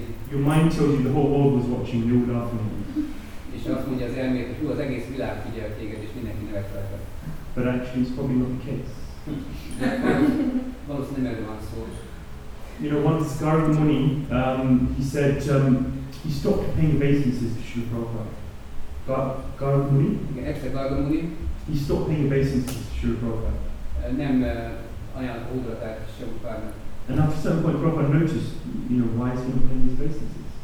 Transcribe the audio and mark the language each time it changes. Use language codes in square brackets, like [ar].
[en] your mind tells you the whole world was watching, and you're laughing at you. [hu] És azt mondja az elmélet, hogy hú, az egész világ figyel téged, és mindenki nevet rajta. [en] But actually it's probably not the case. [hu] Valószínűleg erről van szó. [en] You know, once Gaurav Muni, he said, he stopped paying obeisances to Srila Prabhupada. [hu] Gaurav Muni? Igen, egyszer Gaurav Muni. [en] He stopped paying obeisances to Srila Prabhupada. [hu] Nem ajánlott hódolatát Srila Prabhupádnak. [en] And after some point, Prabhupada noticed, you know, why is he not paying his obeisances?